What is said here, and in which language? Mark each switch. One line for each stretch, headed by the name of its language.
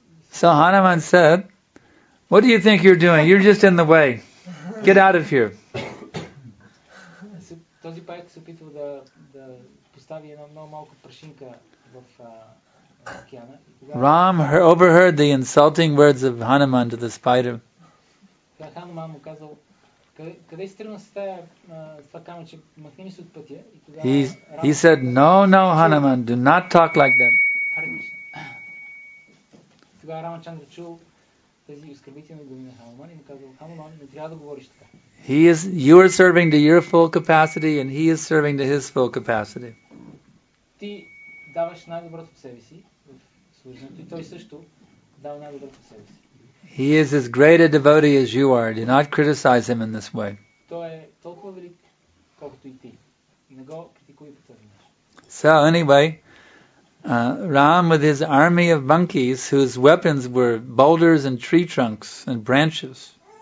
English: So Hanuman said, "What do you think you're doing? You're just in the way. Get out of here."
Bulgarian: Този паяк се опитва да постави една много малка прашинка в океана.
English: Ram overheard the insulting words of Hanuman to the spider.
Bulgarian: Hanuman му казал, къде си тръгна с това камъче, махни ми се от пътя.
English: He said, no, Hanuman, do not talk like that.
Bulgarian: Тогава Рамачандра чул тези оскърбителни думи на Хануман и му казал, Хануман, не трябва да говориш така.
English: You are serving to your full capacity and he is serving to his full capacity.
Bulgarian: Ти даваш най-доброто от себе си в служението и той също дава най-доброто от себе си.
English: He is as great a devotee as you are. Do not criticize him in this way.
Bulgarian: Той е толкова велик, колкото и ти. Не го критикуй по този начин.
English: So anyway, Ram with his army of monkeys whose weapons were boulders and tree trunks and branches.